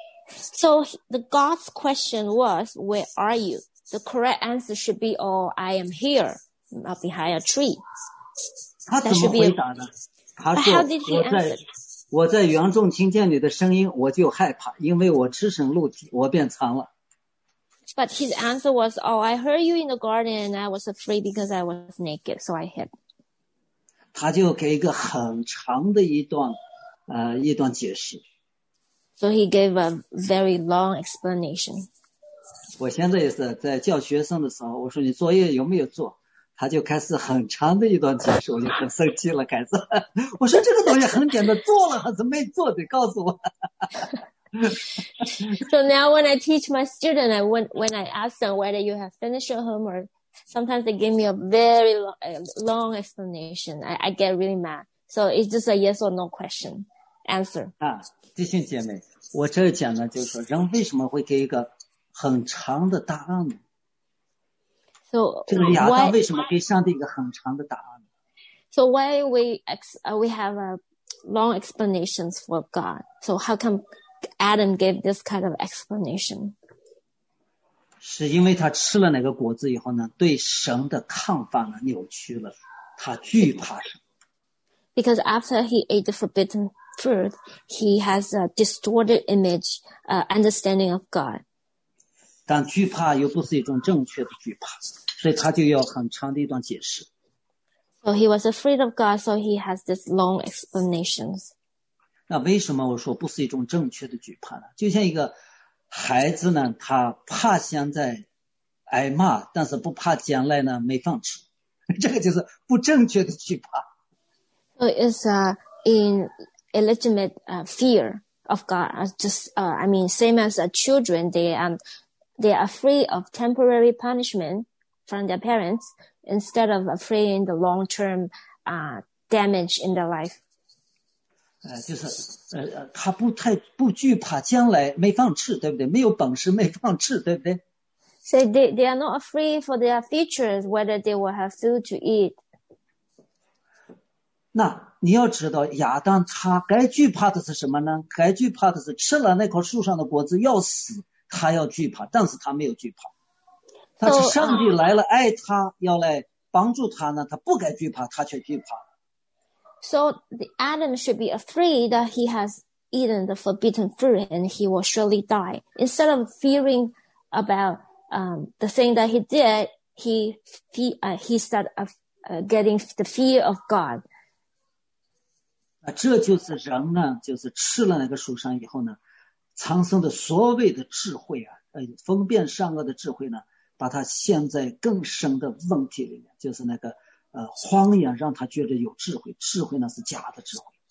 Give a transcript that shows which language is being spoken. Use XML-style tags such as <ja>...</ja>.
<en>So the God's question was, "Where are you?" The correct answer should be, "Oh, I am here, not behind a tree."</en> <zh>他怎么回答呢？他说：“我在园中听见你的声音，我就害怕，因为我赤身露体，我便藏了。”</zh> <en>But his answer was, "Oh, I heard you in the garden, and I was afraid because I was naked, so I hid."</en> <zh>他就给一个很长的一段解释。</zh> <en>So he gave a very long explanation.</en> <zh>我现在也是在教学生的时候，我说你作业有没有做？他就开始很长的一段解释，我就很生气了，开始。我说这个东西很简单，做了还是没做的，告诉我。</zh> <en>So now when I teach my student, when I ask them whether you have finished your homework, sometimes they give me a very long explanation. I get really mad. So it's just a yes or no question answer.</en> <zh>弟兄姐妹，我这讲呢就是说人为什么会给一个很长的答案呢？</zh> <en>So,</en> <zh>这个亚当为什么给上帝一个很长的答案呢？</zh> <en>So why we have a long explanations for God? So how comeAdam gave this kind of explanation.</en> <zh>是因为他吃了那个果子以后呢，对神的看法呢扭曲了，他惧怕神。</zh> <en>Because after he ate the forbidden fruit, he has a distorted image, understanding of God.</en> <zh>但惧怕又不是一种正确的惧怕，所以他就要很长的一段解释。</zh> <en>So he was afraid of God, so he has this long explanations.</en> <zh>那为什么我说不是一种正确的惧怕呢？就像一个孩子呢，他怕现在挨骂，但是不怕将来呢没饭吃，这个就是不正确的惧怕。</zh> <en>So it's an illegitimate fear of God, just, I mean, same as children, they are free of temporary punishment from their parents instead of afraid the long-term damage in their life.</en> <zh>就是他不惧怕将来没饭吃, 对不对? 没有本事没饭吃, 对不对?</zh> <en>So they are not afraid for their futures, whether they will have food to eat.</en> <zh>那你要知道亚当他该惧怕的是什么呢?该惧怕的是吃了那棵树上的果子要死。他要惧怕, 但是他没有惧怕。但是上帝来了, 爱他, 要来帮助他呢, 他不该惧怕, 他却惧怕。</zh> <en>So Adam should be afraid that he has eaten the forbidden fruit and he will surely die. Instead of fearing about the thing that he did, he started getting the fear of God.</en> <zh>这就是人呢, 就是吃了那个树上以后呢, 长生的所谓的智慧啊, 分辨善恶的智慧呢, 把它陷在更深的问题里面, 就是那个, 荒野, 让他觉得有智慧, 智慧呢是假的智慧。</zh>